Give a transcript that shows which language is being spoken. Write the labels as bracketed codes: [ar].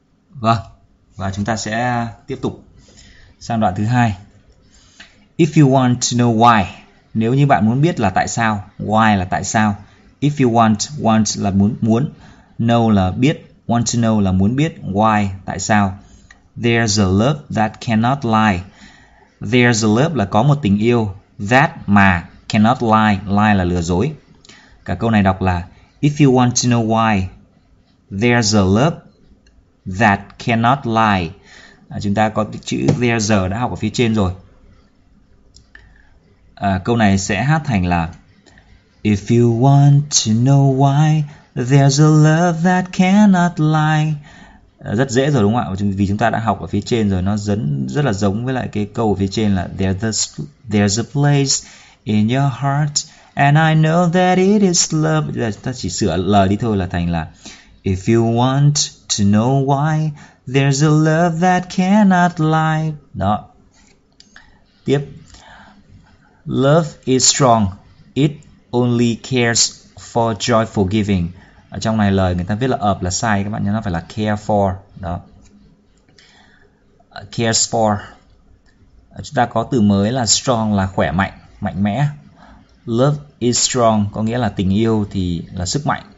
[vi] Vâng, và chúng ta sẽ tiếp tục sang đoạn thứ hai. [en] If you want to know why, [vi] nếu như bạn muốn biết là tại sao, why là tại sao. If you want là muốn, know là biết, [en] want to know [vi] là muốn biết, why, tại sao. [en] There's a love that cannot lie. There's a love [vi] là có một tình yêu, that mà, [en] cannot lie, [vi] lie là lừa dối. Cả câu này đọc là [en] if you want to know why, there's a love that cannot lie. [vi] Chúng ta có chữ [en] there's a [vi] đã học ở phía trên rồi. Câu này sẽ hát thành là [en] if you want to know why, there's a love that cannot lie. [vi] Rất dễ rồi đúng không ạ? Vì chúng ta đã học ở phía trên rồi, nó rất là giống với lại cái câu ở phía trên là [en] there's a place in your heart and I know that it is love. [vi] Bây giờ chúng ta chỉ sửa l đi thôi là thành là [en] if you want to know why, there's a love that cannot lie. [vi] Đó. Tiếp. [en] Love is strong. It only cares for joyful giving. [vi] Ở trong này lời người ta viết là of là sai các bạn nhé. Nó phải là care for. Đó. Cares for. Chúng ta có từ mới là strong là khỏe mạnh, mạnh mẽ. [en] Love is strong [vi] có nghĩa là tình yêu thì là sức mạnh.